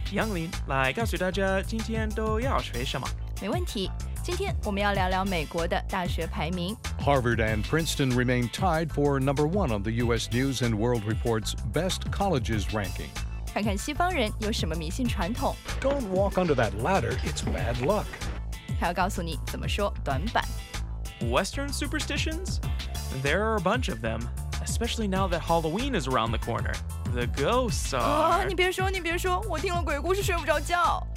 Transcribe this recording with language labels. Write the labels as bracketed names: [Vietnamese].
[Chinese] 杨林来告诉大家今天都要学什么。没问题，今天我们要聊聊美国的大学排名。 [English] Harvard and Princeton remain tied for number one on the US News and World Report's Best Colleges Ranking。 [Chinese] 看看西方人有什么迷信传统。 [English] Don't walk under that ladder, it's bad luck。 [Chinese] 还要告诉你怎么说短板。 [English] Western superstitions? There are a bunch of them, especially now that Halloween is around the corner. The ghosts are... [Chinese] 你别说我听了鬼故事睡不着觉。